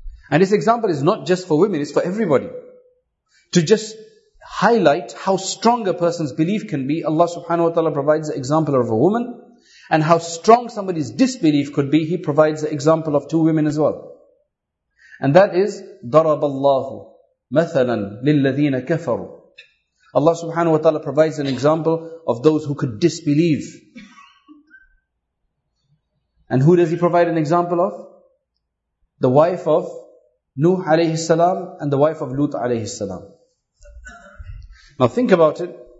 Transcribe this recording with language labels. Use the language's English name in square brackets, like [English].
[English] And this example is not just for women, it's for everybody. To just highlight how strong a person's belief can be, Allah subhanahu wa ta'ala provides the example of a woman. And how strong somebody's disbelief could be, He provides the example of two women as well. And that is, [Arabic] ضَرَبَ اللَّهُ مَثَلًا لِلَّذِينَ كَفَرُوا. [English] Allah subhanahu wa ta'ala provides an example of those who could disbelieve. And who does He provide an example of? The wife of Nuh alayhi salam and the wife of Lut alayhi salam. Now think about it.